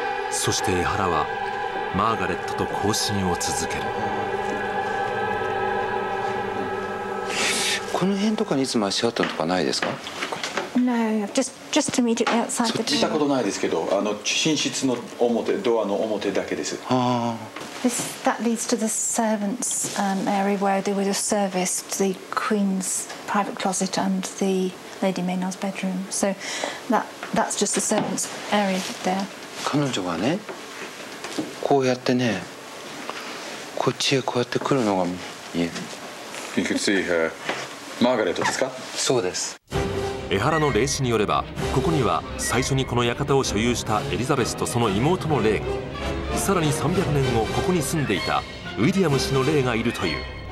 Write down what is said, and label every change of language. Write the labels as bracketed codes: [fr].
[ja] そして江原はマーガレットと交信を続ける。この辺とかにいつも足跡とかないですか？ [en] No, just immediately outside the door. [ja] そっちしたことないですけど、あの寝室の表、ドアの表だけです。 [en] This, that leads to the servants' area where they would have serviced the Queen's private closet and the Lady Maynard's bedroom. So that's just the servants' area there. [ja] 彼女はね、こうやってね、こっちへこうやって来るのが見える。 [en] You can see her. [ja] マーガレットですか？そうです。江原の霊視によれば、ここには最初にこの館を所有したエリザベスとその妹の霊が、さらに300年後ここに住んでいたウィリアム氏の霊がいるという。